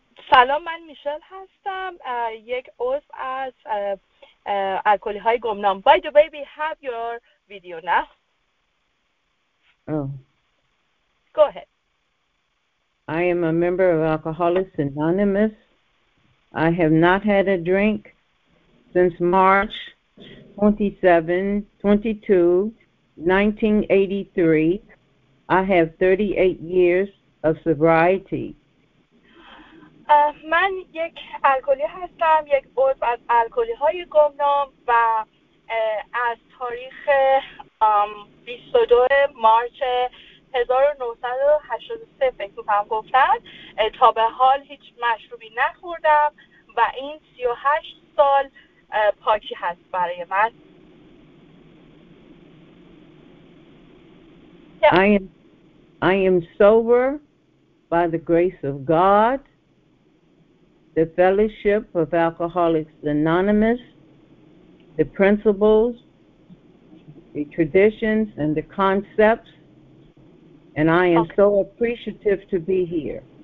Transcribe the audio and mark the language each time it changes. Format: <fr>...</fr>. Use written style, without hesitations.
<fa>سلام، من میشل هستم، یک عضو از الکلی های گمنام.</fa> <en>By the way, we have your video now. Oh. Go ahead. I am a member of Alcoholics Anonymous. I have not had a drink since March 22, 1983. I have 38 years of sobriety.</en> <fa>من یک الکلی هستم، یک عضو از الکلی های گمنام و از تاریخ 22 مارچ 1983 فکر میکنم گفتن تا به حال هیچ مشروبی نخوردم و این 38 سال پاکی هست برای من.</fa> <en>I am sober by the grace of God, the fellowship of Alcoholics Anonymous, the principles, the traditions, and the concepts, and I am so appreciative to be here.</en>